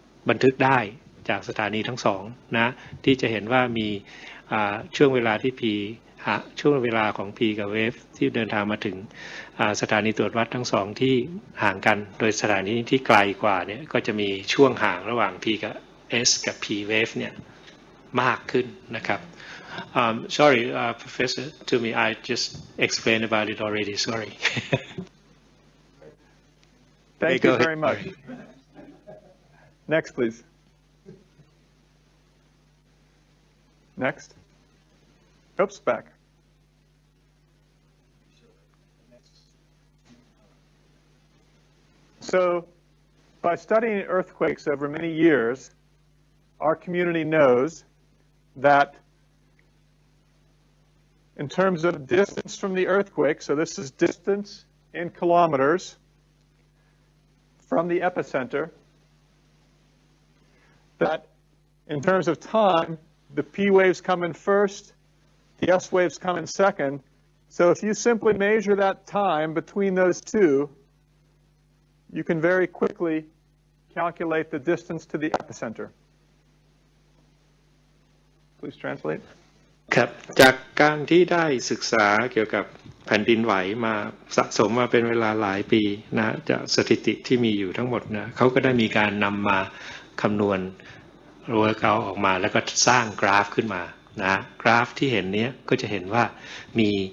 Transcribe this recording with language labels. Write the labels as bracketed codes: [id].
[th] บันทึกได้จากสถานีทั้งสองนะที่จะเห็นว่ามีช่วงเวลาที่ Pช่วงเวลาของ P กับ Wave ที่เดินทางมาถึงสถานีตรวจวัดทั้งสองที่ห่างกันโดยสถานีที่ไกลกว่าเนี่ยก็จะมีช่วงห่างระหว่าง P กับ S กับ P Wave เนี่ยมากขึ้นนะครับ [en] sorry professor to me I just explained about it already sorry thank you very much next please nextOops, back. So, by studying earthquakes over many years, our community knows that in terms of distance from the earthquake, so this is distance in kilometers from the epicenter, that in terms of time, the P waves come in first,The S waves come in second. So if you simply measure that time between those two, you can very quickly calculate the distance to the epicenter. Please translate. [th] ครับจากการที่ได้ศึกษาเกี่ยวกับแผ่นดินไหวมาสะสมมาเป็นเวลาหลายปีนะจากสถิติที่มีอยู่ทั้งหมดนะเขาก็ได้มีการนำมาคำนวณรูปเอาออกมาแล้วก็สร้างกราฟขึ้นมานะกราฟที่เห็นนี้ก็จะเห็นว่ามี